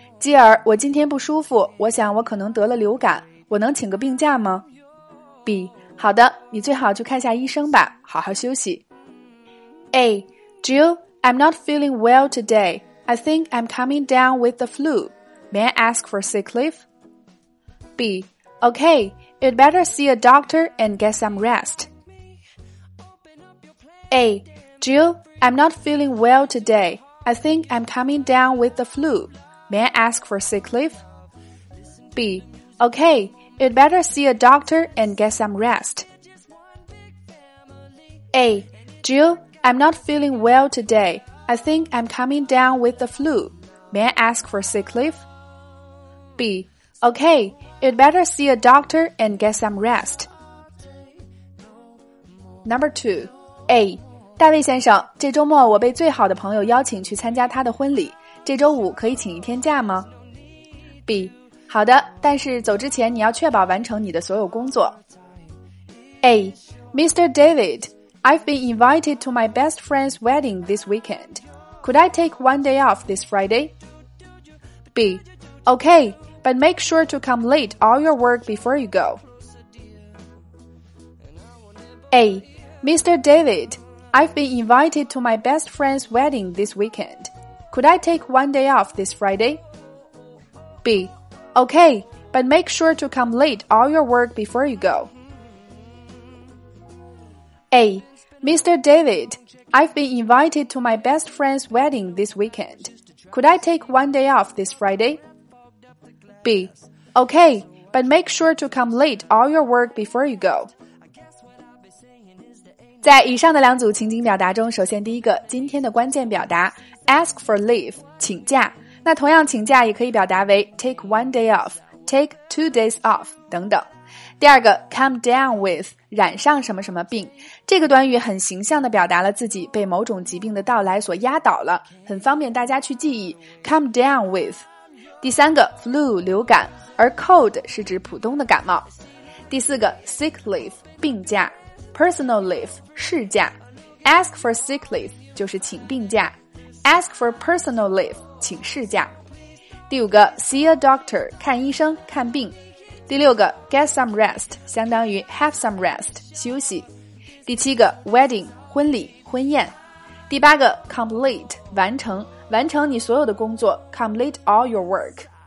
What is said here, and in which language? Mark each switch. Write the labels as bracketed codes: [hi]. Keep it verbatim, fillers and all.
[zh] 基尔，我今天不舒服，我想我可能得了流感，我能请个病假吗 ？B. 好的，你最好去看下医生吧，好好休息。 [en] A. Jill, I'm not feeling well today. I think I'm coming down with the flu. May I ask for sick leave? B. Okay, you'd better see a doctor and get some rest. A. Jill, I'm not feeling well today. I think I'm coming down with the flu. May I ask for sick leave? B. Okay, you'd better see a doctor and get some rest. A. Jill, I'm not feeling well today. I think I'm coming down with the flu. May I ask for sick leave? B. Okay, you'd better see a doctor and get some rest. Number two, A. [zh] 大卫先生，这周末我被最好的朋友邀请去参加他的婚礼，这周五可以请一天假吗 ？B. 好的，但是走之前你要确保完成你的所有工作。 [en] A. Mister David, I've been invited to my best friend's wedding this weekend. Could I take one day off this Friday? B. Okay, but make sure to complete all your work before you go. A. Mister David. I've been invited to my best friend's wedding this weekend. Could I take one day off this Friday? B. Okay, but make sure to complete all your work before you go. A. Mister David, I've been invited to my best friend's wedding this weekend. Could I take one day off this Friday? B. Okay, but make sure to complete all your work before you go. [zh] 在以上的两组情景表达中，首先第一个，今天的关键表达 ask for leave 请假，那同样请假也可以表达为 [en] take one day off, take two days off [zh] 等等。第二个 come down with 染上什么什么病，这个短语很形象地表达了自己被某种疾病的到来所压倒了，很方便大家去记忆 come down with。第三个 flu 流感，而 cold 是指普通的感冒。第四个 sick leave 病假。 Personal leave 事假 ask for sick leave 就是请病假 ask for personal leave 请事假。第五个 see a doctor 看医生看病。第六个 get some rest 相当于 have some rest 休息。第七个 wedding 婚礼婚宴。第八个 complete 完成完成你所有的工作 [en] complete all your work。